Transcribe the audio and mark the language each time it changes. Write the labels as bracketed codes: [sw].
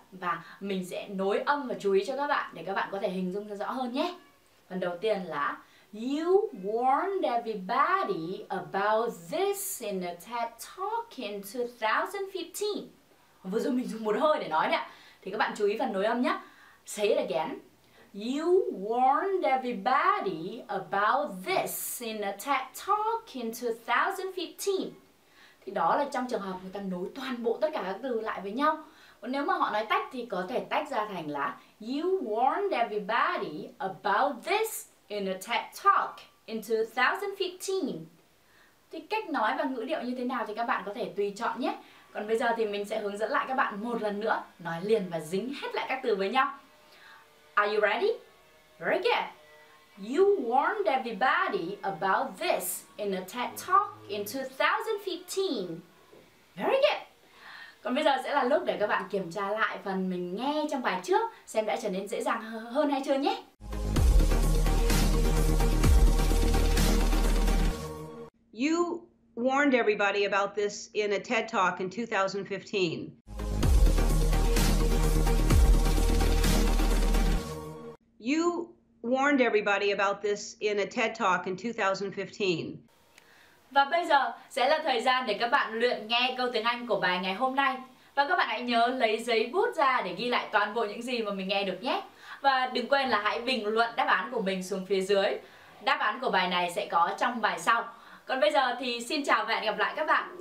[vi] Và mình sẽ nối âm và chú ý cho các bạn để các bạn có thể hình dung cho rõ hơn nhé. [en] Phần đầu tiên là You warned everybody about this in a TED talk in 2015. [vi] Vừa rồi mình dùng một hơi để nói đấy ạ. Thì các bạn chú ý phần nối âm nhé. [en] Say it again. You warned everybody about this in a TED talk in 2015. [vi] Thì đó là trong trường hợp người ta nối toàn bộ tất cả các từ lại với nhau. Còn nếu mà họ nói tách thì có thể tách ra thành là You warned everybody about this in a TED talk in 2015. Thì cách nói và ngữ điệu như thế nào thì các bạn có thể tùy chọn nhé. Còn bây giờ thì mình sẽ hướng dẫn lại các bạn một lần nữa, nói liền và dính hết lại các từ với nhau. [en] Are you ready? Very good. You warned everybody about this in a TED talk in 2015. Very good. [vi] Còn bây giờ sẽ là lúc để các bạn kiểm tra lại phần mình nghe trong bài trước, xem đã trở nên dễ dàng hơn hay chưa nhé. [en] You warned everybody about this in a TED talk in 2015. You warned everybody about this in a TED talk in 2015. [vi] Và bây giờ sẽ là thời gian để các bạn luyện nghe câu tiếng Anh của bài ngày hôm nay. Và các bạn hãy nhớ lấy giấy bút ra để ghi lại toàn bộ những gì mà mình nghe được nhé. Và đừng quên là hãy bình luận đáp án của mình xuống phía dưới. Đáp án của bài này sẽ có trong bài sau. Còn bây giờ thì xin chào và hẹn gặp lại các bạn.